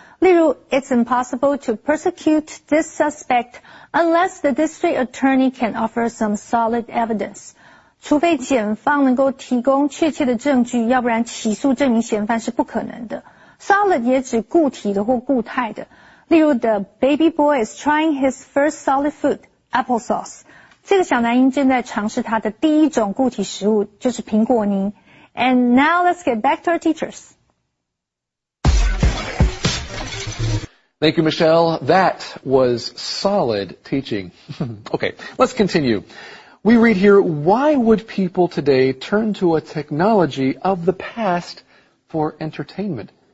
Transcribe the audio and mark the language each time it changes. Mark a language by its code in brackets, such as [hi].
[zh] 例如 [en] ,it's impossible to prosecute this suspect unless the district attorney can offer some solid evidence. [zh] 除非检方能够提供确切的证据，要不然起诉证明嫌犯是不可能的。 [en] Solid [zh] 也指固体的或固态的，例如 [en] The baby boy is trying his first solid food, applesauce。 [zh] 这个小男婴正在尝试他的第一种固体食物，就是苹果泥。 [en] And now let's get back to our teachers. Thank you, Michelle. That was solid teaching. Okay, let's continue. We read here, why would people today turn to a technology of the past for entertainment?